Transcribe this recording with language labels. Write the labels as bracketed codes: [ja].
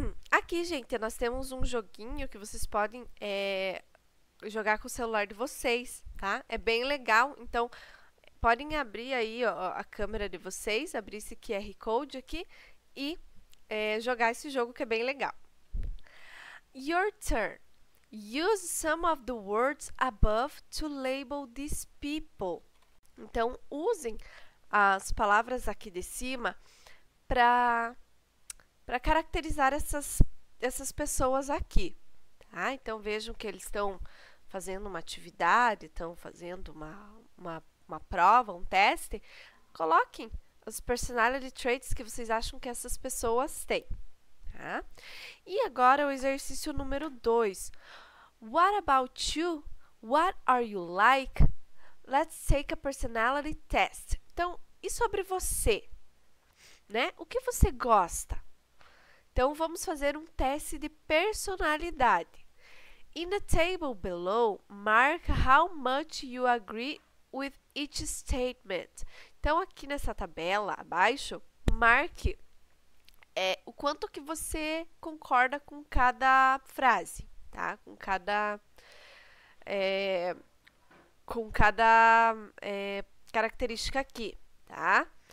[pt] Aqui, gente, nós temos um joguinho que vocês podem jogar com o celular de vocês, tá? É bem legal. Então, podem abrir aí ó, a câmera de vocês, abrir esse QR Code aqui e jogar esse jogo que é bem legal. [en] Your turn. Use some of the words above to label these people. [pt] Então, usem as palavras aqui de cima para caracterizar essas pessoas aqui, tá? Então vejam que eles estão fazendo uma atividade, estão fazendo uma prova, um teste. Coloquem os personality traits que vocês acham que essas pessoas têm, tá? E agora o exercício número 2. [en] What about you? What are you like? Let's take a personality test. [pt] Então, e sobre você, né? O que você gosta? Então, vamos fazer um teste de personalidade. [en] In the table below, mark how much you agree with each statement. [pt] Então, aqui nessa tabela abaixo, marque o quanto que você concorda com cada frase, tá? Com cada característica aqui, tá?